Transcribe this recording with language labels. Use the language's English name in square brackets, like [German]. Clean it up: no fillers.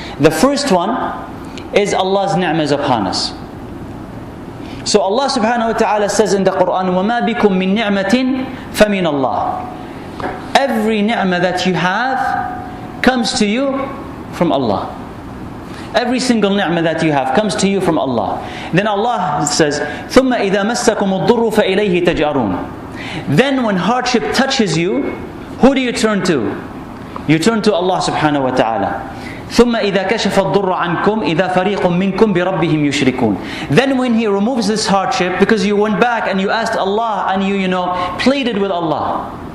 [English] The first one is Allah's ni'mah is upon us. So Allah subhanahu wa ta'ala says in the Qur'an, [Arabic] وَمَا بِكُم مِّن نِعْمَةٍ فَمِنَ اللَّهِ. [English] Every ni'mah that you have comes to you from Allah. Every single ni'mah that you have comes to you from Allah. Then Allah says, [Arabic] ثُمَّ إِذَا مَسَّكُمُ الضُّرُّ فَإِلَيْهِ تَجْأَرُونَ. [English] Then when hardship touches you, who do you turn to? You turn to Allah subhanahu wa ta'ala. [Arabic] ثُمَّ إِذَا كَشَفَ الضُّرَّ عَنْكُمْ إِذَا فَرِيقٌ مِّنْكُمْ بِرَبِّهِمْ يُشْرِكُونَ. [English] Then when He removes this hardship, because you went back and you asked Allah and you pleaded with Allah.